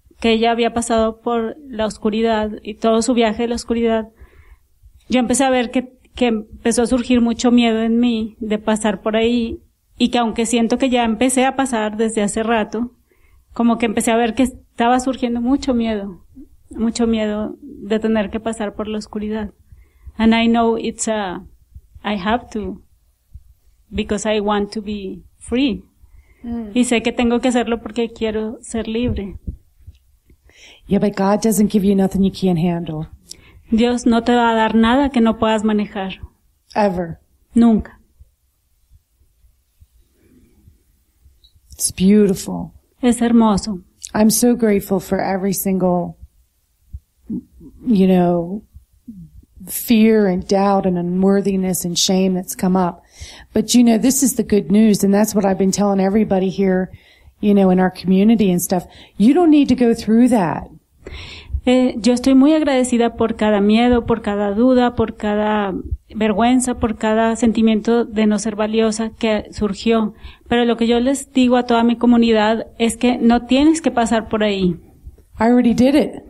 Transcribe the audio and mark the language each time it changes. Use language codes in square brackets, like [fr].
[es] que ella había pasado por la oscuridad y todo su viaje de la oscuridad, yo empecé a ver que empezó a surgir mucho miedo en mí de pasar por ahí, y que aunque siento que ya empecé a pasar desde hace rato, como que empecé a ver que estaba surgiendo mucho miedo de tener que pasar por la oscuridad. [en] And I know it's I have to, because I want to be free. [es] Y sé que tengo que hacerlo porque quiero ser libre. [en] Yeah, but God doesn't give you nothing you can't handle. [es] Dios no te va a dar nada que no puedas manejar. [en] Ever. [es] Nunca. [en] It's beautiful. [es] Es hermoso. [en] I'm so grateful for every single, you know, fear and doubt and unworthiness and shame that's come up. But, you know, this is the good news, and that's what I've been telling everybody here, you know, in our community and stuff. You don't need to go through that. [es] Yo estoy muy agradecida por cada miedo, por cada duda, por cada vergüenza, por cada sentimiento de no ser valiosa que surgió. Pero lo que yo les digo a toda mi comunidad es que no tienes que pasar por ahí. [en] I already did it.